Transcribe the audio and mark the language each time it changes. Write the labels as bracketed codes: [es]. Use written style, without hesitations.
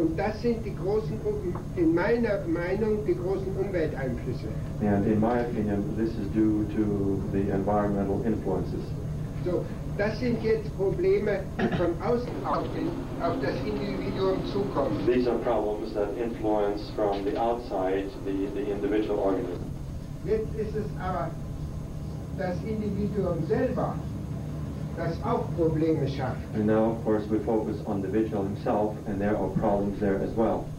[de] Und das sind die großen, in meiner Meinung, die großen Umwelteinflüsse. [en] And in my opinion, this is due to the environmental influences. [de] So, das sind jetzt Probleme, die von außen auf das Individuum zukommen. [en] These are problems that influence from the outside the individual organism. [de] Jetzt ist es aber das Individuum selber, das auch Probleme schafft. [en] And now, of course, we focus on the individual himself, and there are problems there as well.